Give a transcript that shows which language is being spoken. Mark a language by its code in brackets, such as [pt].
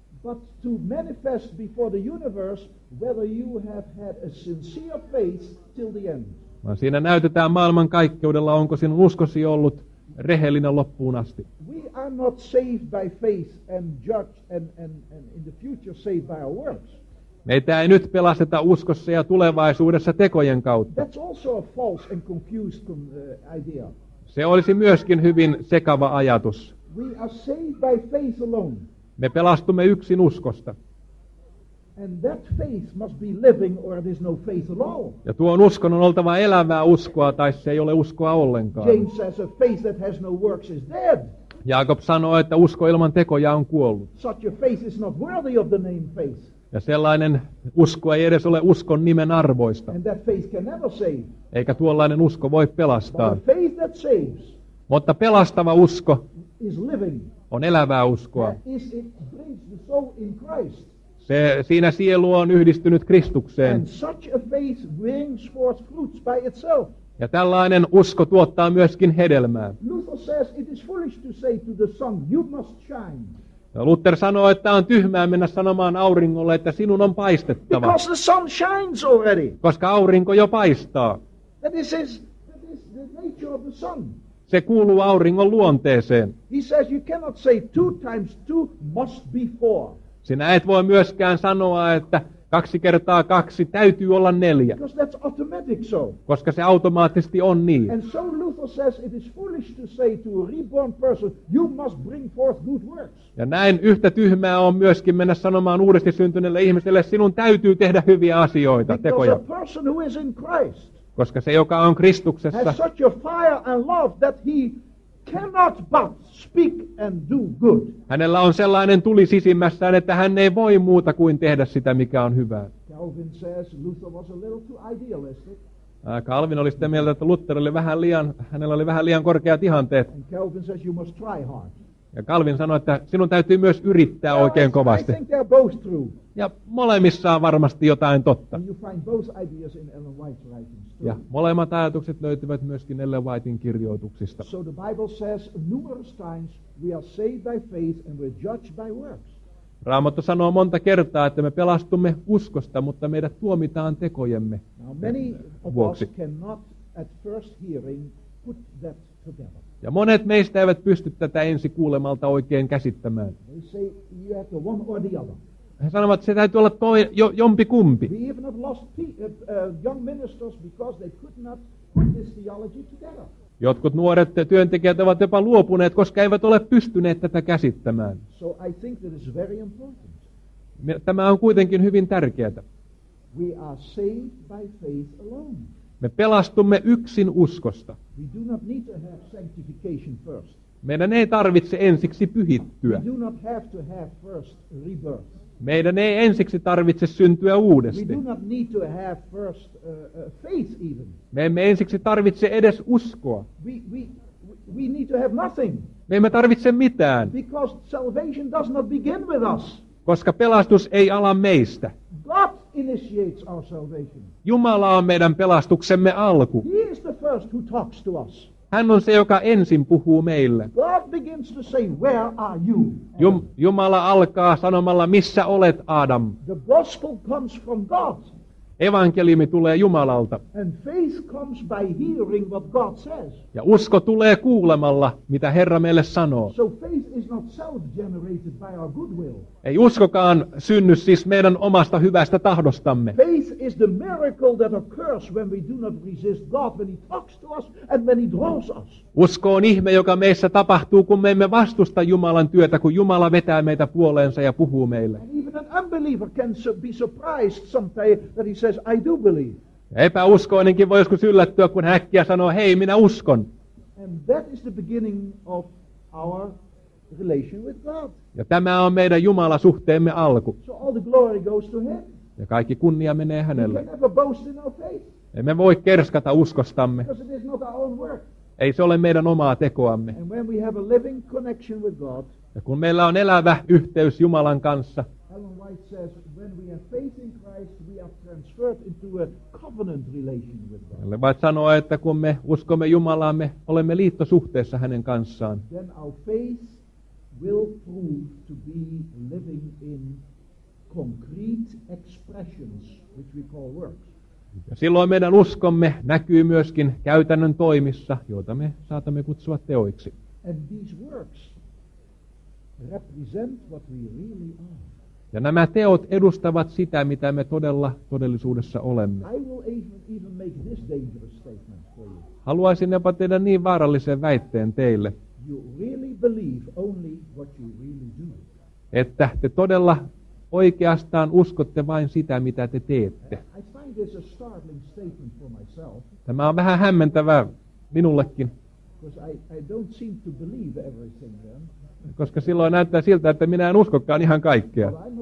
[en] But to manifest before the universe whether you have had a sincere faith till the end. [fi] Vaan siinä näytetään maailman kaikkeudella, onko sinun uskosi ollut rehellinen loppuun asti. [en] We are not saved by faith and judged and in the future saved by our works. [fi] Meitä ei nyt pelasteta uskossa ja tulevaisuudessa tekojen kautta. [en] That's also a false and confused idea. [fi] Se olisi myöskin hyvin sekava ajatus. [en] We are saved by faith alone. [fi] Me pelastumme yksin uskosta. [en] And that faith must be living or it is no faith at all. [fi] Ja tuon uskon on oltava elävää uskoa tai se ei ole uskoa ollenkaan. [en] James says a faith that has no works is dead. [fi] Jaakob sanoo, että usko ilman tekoja on kuollut. [en] Such a faith is not worthy of the name faith. [fi] Ja sellainen usko ei edes ole uskon nimen arvoista. [en] And that faith can never save. [fi] Eikä tuollainen usko voi pelastaa. [en] But a faith that saves. [fi] Mutta pelastava usko [en] is living. [fi] On elävää uskoa. [en] Is it brings the soul in Christ. [fi] Se, siinä sielu on yhdistynyt Kristukseen. [en] And such a faith brings forth fruits by itself. [fi] Ja tällainen usko tuottaa myöskin hedelmää. [en] Luther says it is foolish to say to the sun, you must shine. [fi] Luther sanoo, että on tyhmää mennä sanomaan auringolle, että sinun on paistettava. [en] Because the sun shines already. [fi] Koska aurinko jo paistaa. [en] That is the nature of the sun. [fi] Se kuuluu auringon luonteeseen. [en] He says you cannot say two times two must be four. [fi] Sinä et voi myöskään sanoa, että 2 × 2 täytyy olla 4. [en] Because that's automatic, so. [fi] Koska se automaattisesti on niin. [en] And so Luther says it is foolish to say to a reborn person you must bring forth good works. [fi] Ja näin yhtä tyhmää on myöskin mennä sanomaan uudesti syntyneelle ihmiselle sinun täytyy tehdä hyviä asioita, [en] because [fi] tekoja. [en] A person who is in Christ. [fi] Koska se joka on Kristuksessa. [en] Has such a fire and love that he cannot but speak and do good. [fi] Hänellä on sellainen tuli sisimmässään, että hän ei voi muuta kuin tehdä sitä, mikä on hyvää. [en] Calvin says Luther was a little too idealistic. [fi] Calvin oli sitä mieltä, että Luther oli vähän liian, hänellä oli vähän liian korkeat ihanteet. [en] And Calvin says you must try hard. [fi] Ja Calvin sanoi, että sinun täytyy myös yrittää oikein kovasti. [en] I think they're both true. [fi] Ja molemmissa on varmasti jotain totta. [en] And you find both ideas in Ellen White's writings. [fi] Ja molemmat ajatukset löytyvät myöskin Ellen Whitein kirjoituksista. [en] So the Bible says numerous times we are saved by faith and we're judged by works. [fi] Raamattu sanoo monta kertaa, että me pelastumme uskosta, mutta meidät tuomitaan tekojemme. [en] Now many of us cannot at first hearing put that together. [fi] Ja monet meistä eivät pysty tätä ensi kuulemalta oikein käsittämään. [en] They say you have to one or the other. [fi] He sanovat, että se täytyy olla toi, jompi kumpi. [en] We even have lost young ministers because they could not put this theology together. [fi] Jotkut nuoret työntekijät ovat jopa luopuneet, koska eivät ole pystyneet tätä käsittämään. [en] So I think that is very important. [fi] Tämä on kuitenkin hyvin tärkeää. [en] We are saved by faith alone. [fi] Me pelastumme yksin uskosta. [en] We do not need to have sanctification first. [fi] Meidän ei tarvitse ensiksi pyhittyä. [en] We do not have to have first rebirth. [fi] Meidän ei ensiksi tarvitse syntyä uudesti. [en] We do not need to have first, faith even. [fi] Me emme ensiksi tarvitse edes uskoa. [en] We need to have nothing. [fi] Me emme tarvitse mitään. [en] Because salvation does not begin with us. [fi] Koska pelastus ei ala meistä. [en] God initiates our salvation. [fi] Jumala on meidän pelastuksemme alku. [en] He is the first who talks to us. [fi] Hän on se, joka ensin puhuu meille. [en] God begins to say, where are you? [fi] Jumala alkaa sanomalla, missä olet, Adam? [en] The gospel comes from God. [fi] Evankeliumi tulee Jumalalta. [en] And faith comes by hearing what God says. [fi] Ja usko tulee kuulemalla, mitä Herra meille sanoo. [en] So faith is not self-generated by our goodwill. [fi] Ei uskokaan synny siis meidän omasta hyvästä tahdostamme. [en] Faith is the miracle that occurs when we do not resist God, when he talks to us and when he draws us. [fi] Usko on ihme, joka meissä tapahtuu, kun me emme vastusta Jumalan työtä, kun Jumala vetää meitä puoleensa ja puhuu meille. [en] And even an unbeliever can be surprised someday that he says, I do believe. [fi] Epäuskoinenkin voi joskus yllättyä, kun hän äkkiä sanoo, hei, minä uskon. [en] And that is the beginning of our relation with God. [fi] Ja tämä on meidän Jumala-suhteemme alku. [en] So all the glory goes to him. [fi] Ja kaikki kunnia menee hänelle. [en] We can never boast in our faith. [fi] Emme voi kerskata uskostamme. [en] Because it is not our own work. [fi] Ei se ole meidän omaa tekoamme. [en] And when we have a living connection with God, [fi] ja kun meillä on elävä yhteys Jumalan kanssa, [en] Ellen White says, when we have faith in Christ, we are transferred into a covenant relation with God. [fi] Ellen White sanoo, että kun me uskomme Jumalaan, me olemme liittosuhteessa hänen kanssaan. [en] Then our faith will prove to be living in concrete expressions, which we call works. [fi] Ja silloin meidän uskomme näkyy myöskin käytännön toimissa, joita me saatamme kutsua teoiksi. [en] And these works represent what we really are. [fi] Ja nämä teot edustavat sitä, mitä me todellisuudessa olemme. [en] I will even make this dangerous statement for you. [fi] Haluaisin jopa tehdä niin vaarallisen väitteen teille. [en] You really believe only what you really do. [fi] Että te todella oikeastaan uskotte vain sitä, mitä te teette. [en] I find this a startling statement for myself. [fi] Tämä on vähän hämmentävää minullekin. [en] Because I don't seem to believe everything then. [fi] Koska silloin näyttää siltä, että minä en uskokaan ihan kaikkea.